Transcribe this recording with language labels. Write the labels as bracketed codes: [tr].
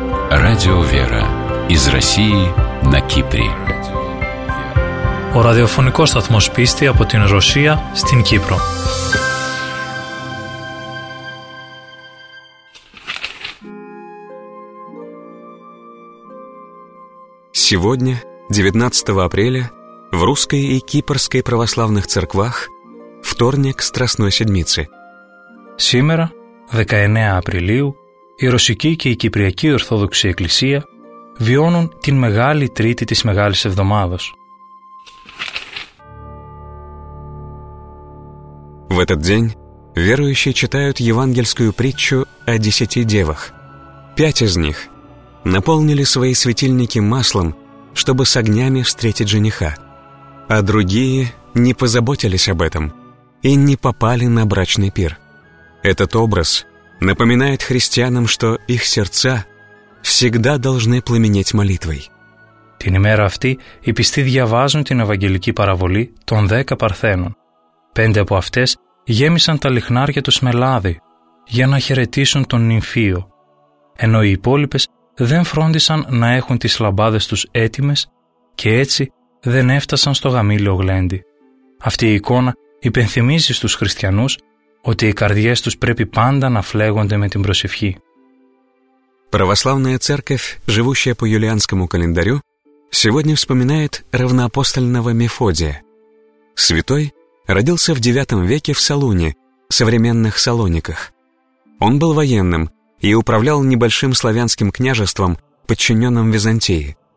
[ru] Радио «Вера» из России на Кипре. [el] Ο ραδιοφωνικός σταθμός πίστη από την Ρωσία στην Κύπρο. [ru] Сегодня, 19 апреля, в русской и кипрской православных церквах вторник Страстной Седмицы. Сегодня, 19 апреля, [el] η Ρωσική και η Κυπριακή Ορθόδοξη Εκκλησία βιώνουν την Μεγάλη Τρίτη της Μεγάλης Εβδομάδος. [ru] В этот день верующие читают евангельскую притчу о 10 девах. 5 из них наполнили свои светильники маслом, чтобы с огнями встретить жениха, а другие не позаботились об этом и не попали на брачный пир. Этот образ напоминает христианам, что их сердца всегда должны пламенеть молитвой. [el] Την ημέρα αυτή οι πιστοί διαβάζουν την Ευαγγελική παραβολή των 10 παρθένων. 5 από αυτές γέμισαν τα λιχνάρια τους με λάδι για να χαιρετήσουν τον νυμφίο, ενώ οι υπόλοιπες δεν φρόντισαν να έχουν τις λαμπάδες τους έτοιμες και έτσι δεν έφτασαν στο γαμήλιο γλέντι. Αυτή η εικόνα υπενθυμίζει στους χριστιανούς ότι οι καρδιές τους πρέπει πάντα να φλέγονται με την προσευχή. [ru] Православная церковь, живущая по юлианскому календарю, сегодня вспоминает равноапостольного Мефодия. Святой родился в 9 веке в Салуне, в современных Салониках. Он был военным и управлял небольшим славянским княжеством, подчиненным Византии.